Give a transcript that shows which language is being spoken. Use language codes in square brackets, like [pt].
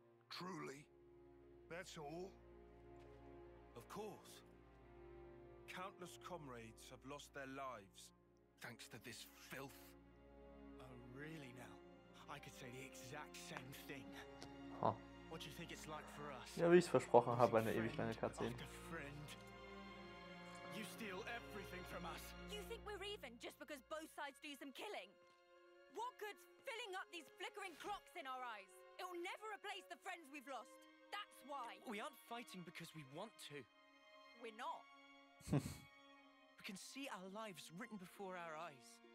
[en] Truly? That's all? Of course. Countless comrades have lost their lives thanks to this filth. Oh, really now? I could say the exact same thing. Huh. What do you think it's like for us? [de] Ja, wie ich es versprochen habe, eine ewig lange Cutscene. [en] You steal everything from us. You think we're even just because both sides do some killing? What good's filling up these flickering clocks in our eyes? It'll never replace the friends we've lost. That's why. We aren't fighting because we want to. We're not. We can see our lives written before our eyes.